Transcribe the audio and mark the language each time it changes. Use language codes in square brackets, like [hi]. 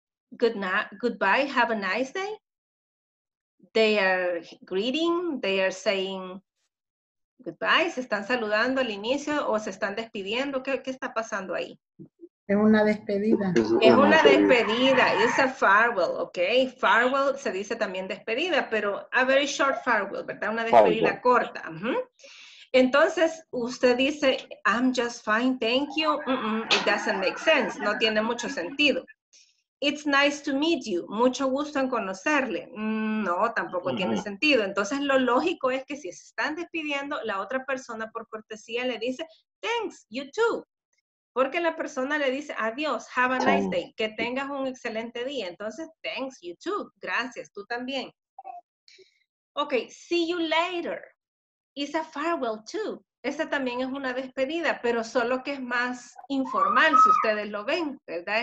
[en] Goodbye, have a nice day. They are greeting, they are saying goodbye. [es] Se están saludando al inicio o se están despidiendo. ¿Qué está pasando ahí? Es una despedida. Es una despedida. [en] It's a farewell, okay? [es] Farewell se dice también despedida, pero [en] a very short farewell, [es] ¿verdad? Una despedida corta. Entonces, usted dice, [en] I'm just fine, thank you. It doesn't make sense. [es] No tiene mucho sentido. [en] It's nice to meet you. [es] Mucho gusto en conocerle. No, tampoco uh-huh. tiene sentido. Entonces, lo lógico es que si se están despidiendo, la otra persona por cortesía le dice, [en] thanks, you too. [es] Porque la persona le dice, adiós, [en] have a nice day. [es] Que tengas un excelente día. Entonces, [en] thanks, you too. [es] Gracias, tú también. [en] Okay, see you later. It's a farewell too. [es] Esta también es una despedida, pero solo que es más informal, si ustedes lo ven, ¿verdad?